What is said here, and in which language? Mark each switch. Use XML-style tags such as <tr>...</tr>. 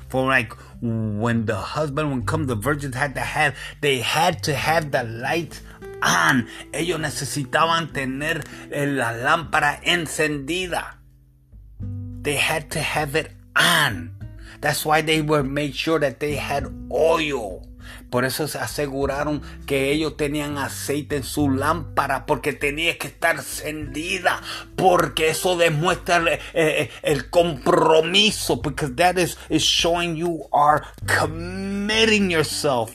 <en>For like when the husband would come, the virgins had to have the light on.</en> <es>Ellos necesitaban tener la lámpara encendida.</es> <en>They had to have it on. That's why they were made sure that they had oil.</en> <es>Por eso se aseguraron que ellos tenían aceite en su lámpara, porque tenía que estar encendida, porque eso demuestra el compromiso.</es> <en>Because that is showing you are committing yourself.</en>